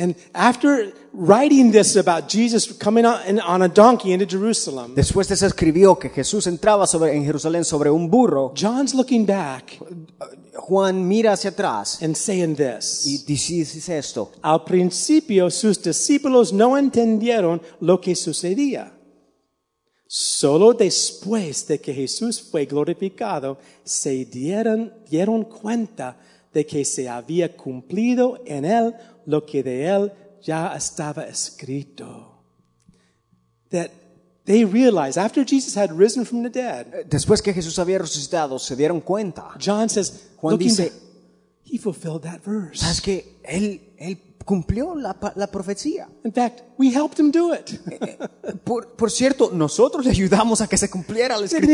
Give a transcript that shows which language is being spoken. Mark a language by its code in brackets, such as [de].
[en] And after writing this about Jesus coming on a donkey into Jerusalem. [es] Después de eso escribió que Jesús entraba en Jerusalén sobre un burro. [en] John's looking back. [es] Juan mira hacia atrás. [en] And saying this. [es] Y dice esto. Al principio sus discípulos no entendieron lo que sucedía. Solo después de que Jesús fue glorificado, se dieron cuenta de que se había cumplido en él lo que de él ya estaba escrito. [en] That they realized after Jesus had risen from the dead. [es] Después que Jesús había resucitado, se dieron cuenta. [en] John says, [es] Juan dice, [en] he fulfilled that verse. [es] Es que él cumplió la profecía. [en] In fact, we helped him do it. [es] por cierto, nosotros le ayudamos a que se cumpliera la escritura.